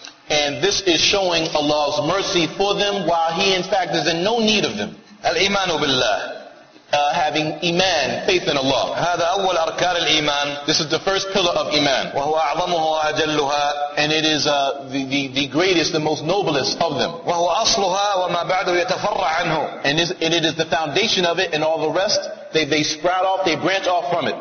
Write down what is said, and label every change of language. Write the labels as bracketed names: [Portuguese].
[English] And this is showing Allah's mercy for them while He in fact is in no need of them. [Arabic] الإيمان بالله. [English] Having iman, faith in Allah. [Arabic] هذا أول أركان الإيمان. [English] This is the first pillar of iman. [Arabic] وهو أعظمه وأجلها. [English] And it is the greatest, the most noblest of them. [Arabic] وهو أصلها وما بعده يتفرع عنه. [English] And it is the foundation of it, and all the rest they sprout off, they branch off from it.